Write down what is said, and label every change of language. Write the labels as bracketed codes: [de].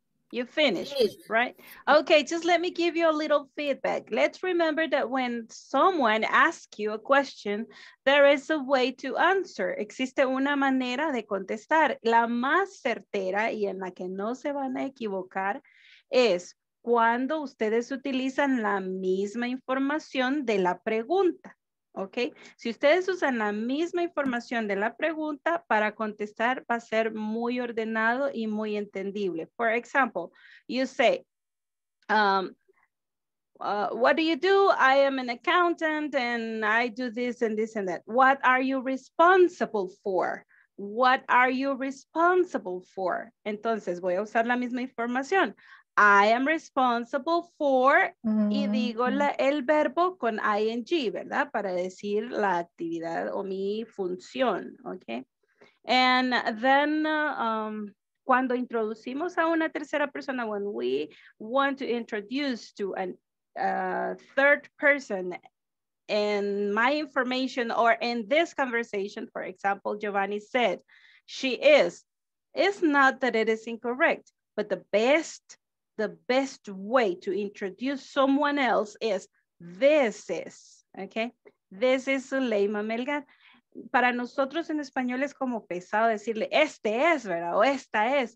[en] You finished, right? Okay, just let me give you a little feedback. Let's remember that when someone asks you a question, there is a way to answer. [es] Existe una manera de contestar. La más certera y en la que no se van a equivocar es cuando ustedes utilizan la misma información de la pregunta. Ok, si ustedes usan la misma información de la pregunta para contestar, va a ser muy ordenado y muy entendible. [en] For example, you say, what do you do? I am an accountant and I do this and this and that. What are you responsible for? What are you responsible for? [es] Entonces voy a usar la misma información. [en] I am responsible for, [es] y digo el verbo con ing, ¿verdad? Para decir la actividad o mi función, ¿ok? [en] And then, [es] cuando introducimos a una tercera persona, [en] when we want to introduce to a third person in my information or in this conversation, for example, Giovanni said, she is, it's not that it is incorrect, but the best way to introduce someone else is this is, okay? This is Leima Melgar. [es] Para nosotros en español es como pesado decirle este es, ¿verdad? O esta es.